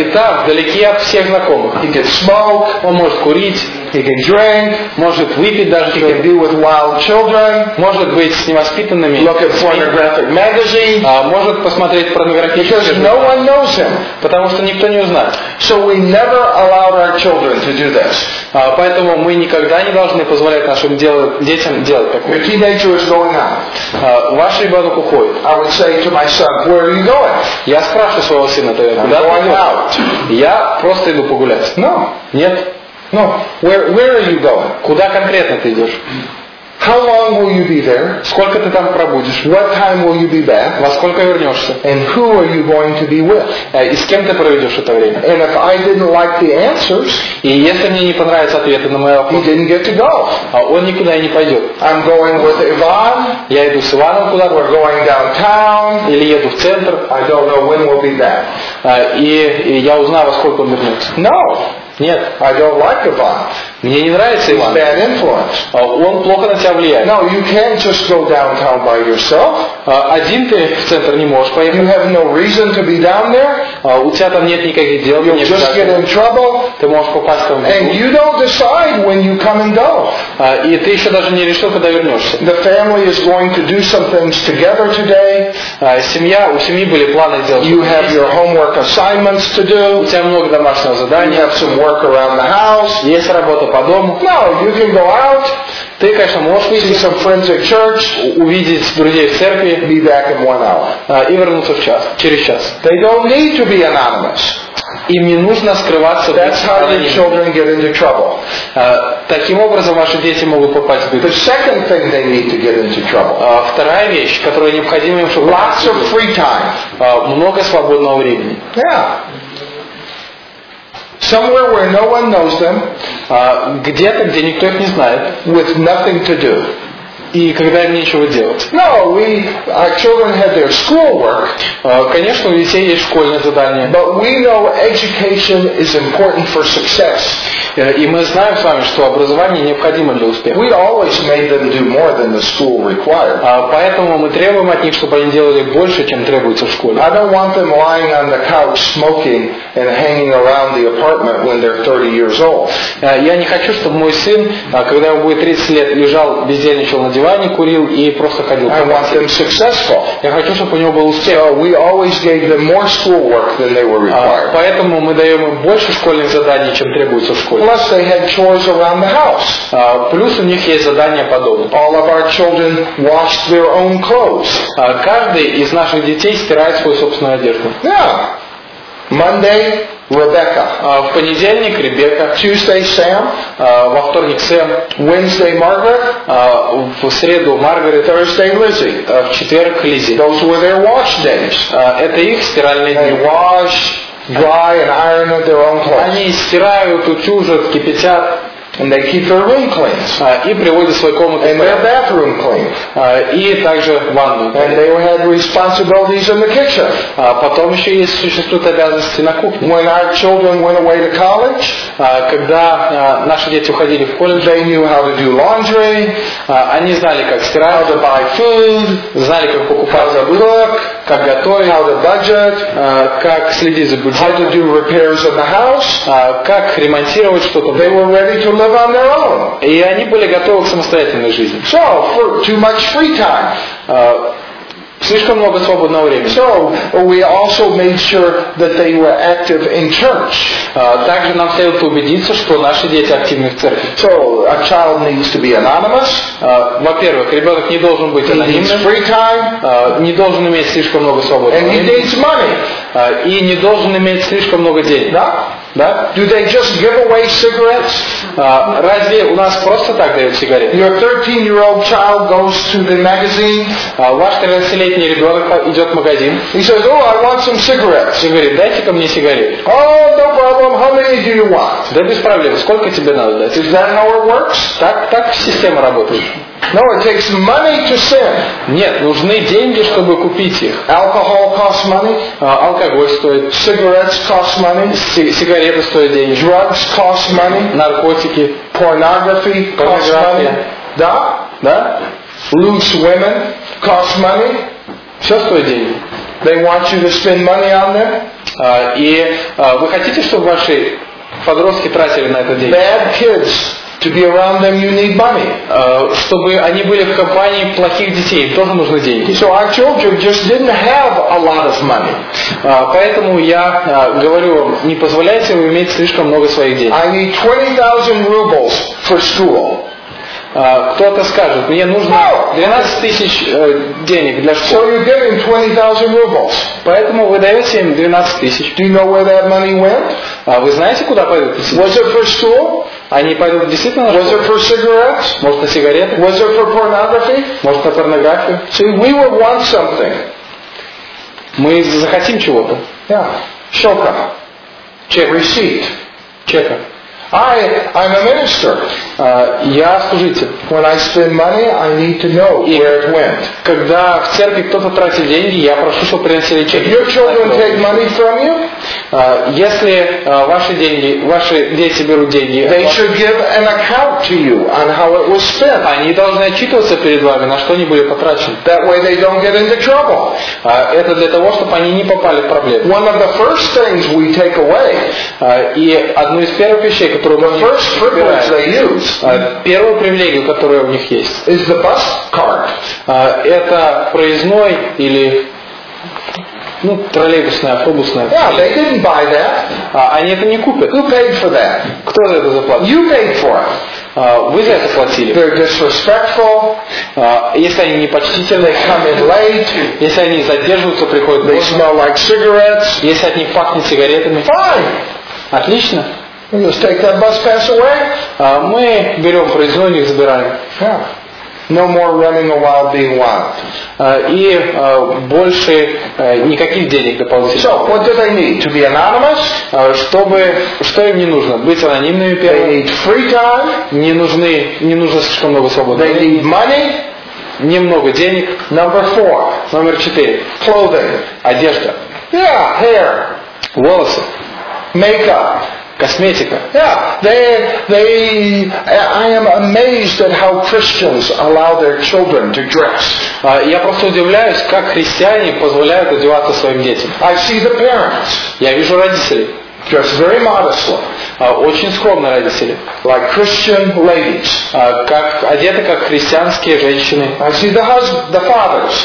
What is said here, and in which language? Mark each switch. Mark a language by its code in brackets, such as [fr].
[ru] И там, вдалеке от всех знакомых. [en] He can smoke. [ru] Он может курить. [en] He can drink. [ru] Может выпить даже. [en] He can be with wild children. [ru] Может быть с невоспитанными. [en] Look at pornographic magazine. [ru] Может посмотреть порнографические. [en] Because no one knows him. [ru] Потому что никто не узнает. [en] So we never allow our children to do this. [ru] Поэтому мы никогда не должны позволять нашим детям делать такое. [en] Your teenager is going out. [ru] Ваш ребенок уходит. [en] I would say to my son, where are you going? [ru] Я спрашиваю своего сына, куда ты идешь? Я просто иду погулять. [en] No. [ru] Нет. [en] No, where are you going? [ru] Куда конкретно ты идешь? [en] How long will you be there? [ru] Сколько ты там пробудешь? [en] What time will you be back? [ru] Во сколько вернешься? [en] And who are you going to be with? [ru] И с кем ты проведешь это время? [en] And if I didn't like the answers, [ru] и если мне не понравятся ответы на мои вопросы, [en] he didn't get to go. [ru] Он никуда и не пойдет. [en] I'm going with Ivan. [ru] Я иду с Иваном куда-то. [en] We're going downtown. [ru] Или еду в центр. [en] I don't know when we'll be back. [ru] И я узнаю, во сколько он вернется. [en] No. [ru] Нет, [en] I don't like Ivan. [ru] Мне не нравится Иван. [en] He's bad influence. [ru] Он плохо на тебя влияет. [en] No, you can't just go downtown by yourself. [ru] Один ты в центр не можешь поехать. [en] You have no reason to be down there. [ru] У тебя там нет никаких дел. [en] You'll just get in trouble. [ru] Ты можешь попасть там. [en] And you don't decide when you come and go. [ru] И ты еще даже не решил, когда вернешься. [en] The family is going to do some things together today. [ru] У семьи были планы делать что-то. [en] You have your homework assignments to do. [ru] У тебя много домашнего задания. [en] Work around the house. [ru] Есть работа по дому. [en] No, you can go out. [ru] Ты, конечно, можешь выйти. [en] See some friends at church. [ru] Увидеть друзей в церкви. [en] Be back in 1 hour. [ru] И вернуться в час. Через час. [en] They don't need to be anonymous. [ru] Им не нужно скрываться. [en] That's how your children get into trouble. [ru] Таким образом, ваши дети могут попасть в беду. [en] The second thing they need to get into trouble. [ru] Вторая вещь, которая необходима им, чтобы. [en] Lots of free time. [ru] Много свободного времени. [en] Yeah. Somewhere where no one knows them, [ru] где-то, где никто их не знает, [en] with nothing to do. [ru] И когда им нечего делать. [en] No, our children had their schoolwork. [ru] Конечно, у детей есть школьное задание. [en] But we know education is important for success. [ru] И мы знаем с вами, что образование необходимо для успеха. [en] We always made them do more than the school required. [ru] Поэтому мы требуем от них, чтобы они делали больше, чем требуется в школе. [en] I don't want them lying on the couch smoking and hanging around the apartment when they're 30 years old. [ru] Я не хочу, чтобы мой сын, когда ему будет 30 лет, лежал бездельничал на диване, курил и просто ходил. [en] I want them successful. [ru] Я хочу, чтобы у него был успех. [en] So we always gave them more schoolwork than they were required. [ru] Поэтому мы даем им больше школьных заданий, чем требуется в школе. [en] Plus they had chores around the house. [ru] Плюс у них есть задания по дому. [en] All of our children washed their own clothes. [ru] Каждый из наших детей стирает свою собственную одежду. [en] Yeah. Monday, Rebecca. [ru] В понедельник Ребекка. [en] Tuesday, Sam. [ru] Во вторник Сэм. [en] Wednesday, Margaret. [ru] В среду Маргарет. [en] Thursday, Lizzie. [ru] В четверг Лизи. [en] Those were their wash days. [ru] Это их стиральные дни. [en] Wash, dry, and iron at their own clothes. [ru] Они стирают, утюжат, кипятят. [en] And they keep their room clean. [ru] И приводят свою комнату. [en] And their bathroom clean. [ru] И также ванну. [en] And they had responsibilities in the kitchen. [ru] Потом еще есть существуют обязанности на кухне. [en] When our children went away to college, [ru] когда наши дети уходили в колледж, [en] they knew how to do laundry. [ru] Они знали, как стирать. How to buy food. Знали, как покупать продукты. Как готовить. [en] How to budget. [ru] Как следить за бюджетом. [en] How to do repairs in the house. [ru] Как ремонтировать что-то. [en] They were ready to live on their own. [ru] И они были готовы к самостоятельной жизни. [en] So, for too much free time. [ru] Слишком много свободного времени. [en] So, we also made sure that they were active in church. [ru] Также нам следует убедиться, что наши дети активны в церкви. [en] So, a child needs to be anonymous. [ru] Во-первых, ребенок не должен быть анонимным. [en] He needs free time. [ru] Не должен иметь слишком много свободного времени. [en] And he needs money. [ru] И не должен иметь слишком много денег. Да? [en] Yeah? [ru] Да? [en] Do they just give away cigarettes? [ru] Разве у нас просто так дают сигареты? [en] Your 13-year-old child goes to the magazine. [ru] Ваш 13-летний ребенок идет в магазин. [en] He says, "Oh, I want some cigarettes." [ru] И говорит, дайте-ка мне сигарет. [en] Oh, no problem. How many do you want? [ru] Да без проблем. Сколько тебе надо дать? [en] Is that how it works? [ru] Так система работает. [en] No, it takes money to send. [ru] Нет, нужны деньги, чтобы купить их. [en] Alcohol costs money. [ru] Алкоголь стоит. [en] Cigarettes cost money. [ru] Сигареты стоят деньги. [en] Drugs cost money. [ru] Наркотики. [en] Pornography costs money. [ru] Да? Да? [en] Loose women cost money. [ru] Все стоит деньги. [en] They want you to spend money on them. [ru] Вы хотите, чтобы ваши подростки тратили на это деньги? [en] Bad kids. To be around them, you need money. [ru] Чтобы они были в компании плохих детей, тоже нужны деньги. [en] So our children just didn't have a lot of money. [ru] Поэтому я говорю вам, не позволяйте им иметь слишком много своих денег. [en] I need 20,000 rubles for school. [ru] Кто-то скажет, мне нужно 12 тысяч денег для школы. [en] So you're giving 20,000 rubles. [ru] Поэтому вы даете им 12 тысяч. [en] Do you know where that money went? [ru] Вы знаете, куда пойдут эти деньги? [en] Was it for school? [ru] Они пойдут действительно на школу? [en] Was it for cigarettes? [ru] Может, на сигареты? [en] Was it for pornography? [ru] Может, на порнографию? [en] See, we will want something. [ru] Мы захотим чего-то. [en] Yeah. [ru] Щелка. [en] Check. Receipt. [ru] Чека. [en] I'm a minister. [ru] Я служитель. [en] When I spend money, I need to know where it went. [ru] Когда в церкви кто-то тратит деньги, я прошу, чтобы приносили чеки. [en] If your children take money from you, [ru] если ваши дети берут деньги, [en] they should give an account to you on how it was spent. [ru] Они должны отчитываться перед вами, на что они были потрачены. [en] That way they don't get into trouble. [ru] Это для того, чтобы они не попали в проблемы. [en] One of the first things we take away. [ru] И одну из первых вещей. [en] The first privilege they use. [ru] Первое привилегию, которое у них есть. [en] Is the bus card. [ru] Это проездной или троллейбусная, автобусная. [en] Yeah, they didn't buy that. [ru] Они это не купят. [en] Who paid for that? [ru] Кто за это заплатил? [en] You paid for it. [ru] Вы за это платили. [en] They're disrespectful. [ru] Если они непочтительны, [en] come in late. [ru] Если они задерживаются, приходят. [en] They smell like cigarettes. [ru] Если от них пахнет сигаретами. [en] Fine. [ru] Отлично. [en] We just take that bus pass away. [ru] Мы берем проездной, их забираем. [en] No more running around being wild. [ru] Больше никаких денег дополнительных. [en] So, what do they need? To be anonymous? [ru] Что им не нужно? Быть анонимными первыми. [en] They need free time. [ru] Не нужно слишком много свободы. [en] They need money. [ru] Немного денег. [en] Number four. [ru] Номер четыре. [en] Clothing. [ru] Одежда. [en] Yeah, hair. [ru] Волосы. [en] Makeup. [ru] Косметика. [en] Yeah, they. I am amazed at how Christians allow their children to dress. [ru] Я просто удивляюсь, как христиане позволяют одеваться своим детям. [en] I see the parents. [ru] Я вижу родителей. [en] Dress very modestly. [ru] Очень скромно родители. [en] Like Christian ladies. [ru] Как одеты как христианские женщины. [en] I see the fathers.